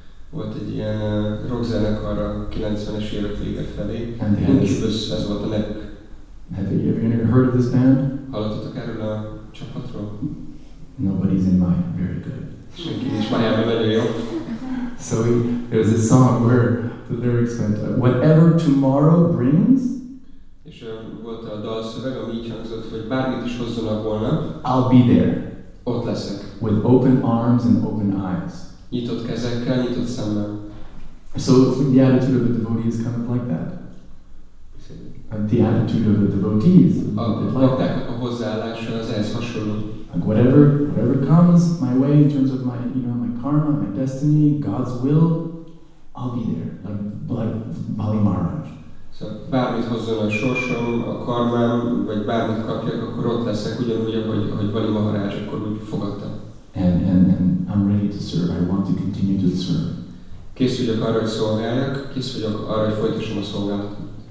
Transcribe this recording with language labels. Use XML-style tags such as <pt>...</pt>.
<hu>Volt egy ilyen rockzenekar a 90-es évek vége felé. Incubus, ez volt a nevük.</hu> <en>Have you ever heard of this band?</en> <hu>Hallottatok erről a csapatról?</hu> <en>Nobody's in my very good.</en> <hu>Senki nincs Miami nagyon jó.</hu> <en>So there was a song where the lyrics went, whatever tomorrow brings,</en> <hu>és volt a dalszöveg, ami így hangzott, hogy bármit is hozzanak volna,</hu> <en>I'll be there.</en> <hu>Ott leszek.</hu> <en>With open arms and open eyes.</en> <hu>Nyitott kezekkel, nyitott szemmel.</hu> <en>So the attitude of a devotee is kind of like that. The attitude of a devotee is a little bit like that.</en> <hu>A hozzáállása az ehhez hasonló.</hu> <en>Like whatever comes my way in terms of my, you know, my karma, my destiny, God's will, I'll be there. Like Bali Maharaj.</en> <hu>Szóval bármit hozzon a sorsom, a karmám, vagy bármit kapjak, akkor ott leszek, ugyanúgy, ahogy Bali Maharaj, akkor úgy fogadtam.</hu> <en>And I'm ready to serve. I want to continue to serve.</en> <hu>Kész vagyok arra, hogy szolgáljak, kész vagyok arra, hogy folytassam a szolgálatot.</hu>